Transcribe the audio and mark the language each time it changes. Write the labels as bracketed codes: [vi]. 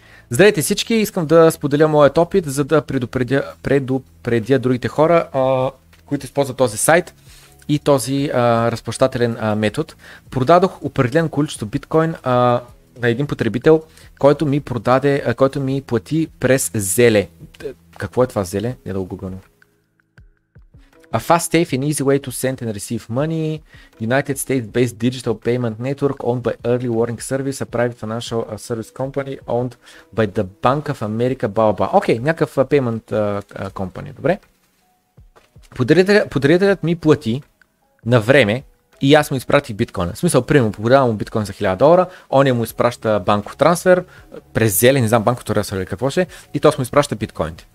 [bg] Здравейте всички, искам да споделя моят опит, за да предупредя другите хора, които използват този сайт и този разплащателен метод. Продадох определен количество биткоин на един потребител, който ми продаде, който ми плати през Zelle. Какво е това Zelle? Не да го гугълна. [en] A fast, safe and easy way to send and receive money. United States based digital payment network owned by Early Warning Service, a private financial service company owned by the Bank of America, Baoba. [bg] Окей, okay, някакъв [en] payment company, [bg] добре. Подарителят ми плати на време и аз му изпратих биткоина. В смисъл, примерно, подарявам му биткоин за $1000, он я му изпраща банков трансфер през зеле, не знам банков трансфер или какво ще, и то му изпраща биткоините.